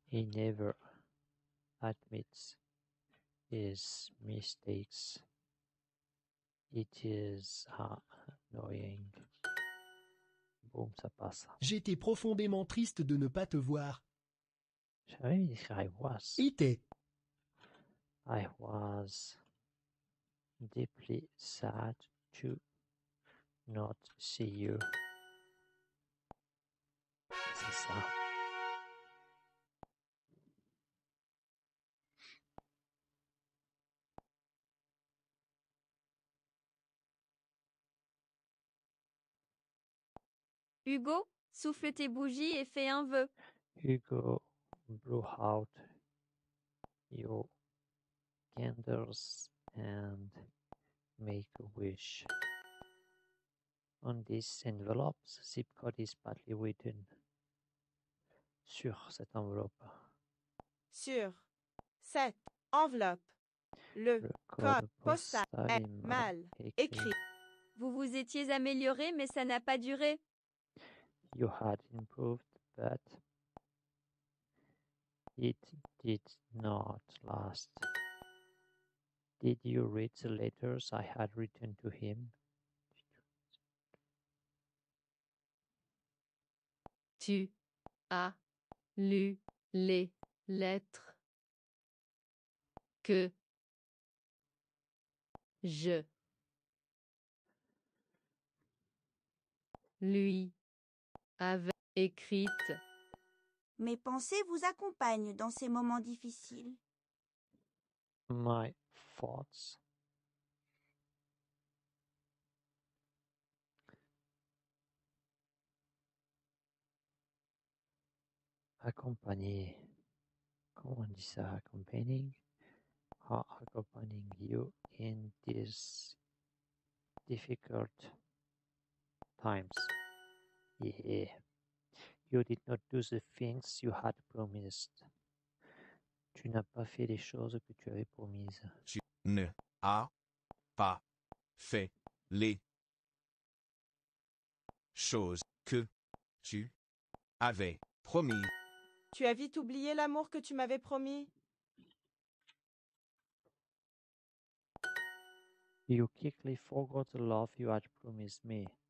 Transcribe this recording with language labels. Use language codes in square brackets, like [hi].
[en] He never admits his mistakes. It is annoying. Boom, [fr] ça passe. J'étais profondément triste de ne pas te voir. J'avais dit que [en] I was. [fr] Était. [en] I was deeply sad to not see you. [fr] C'est ça. Hugo, souffle tes bougies et fais un vœu. [en] Hugo, blow out your candles and make a wish. On this envelope, the zip code is badly written. [fr] Sur cette enveloppe. Sur cette enveloppe, le code postal est mal écrit. Vous vous étiez amélioré, mais ça n'a pas duré. [en] You had improved, but it did not last. Did you read the letters I had written to him? [fr] Tu as lu les lettres que je lui avait écrite. Mes pensées vous accompagnent dans ces moments difficiles. [en] My thoughts [fr] accompagner. Comment on dit ça? [en] Accompanying. Accompanying you in these difficult times. Yeah. You did not do the things you had promised. [fr] Tu n'as pas fait les choses que tu avais promises. Tu ne as pas fait les choses que tu avais promis. Tu as vite oublié l'amour que tu m'avais promis. [en] You quickly forgot the love you had promised me.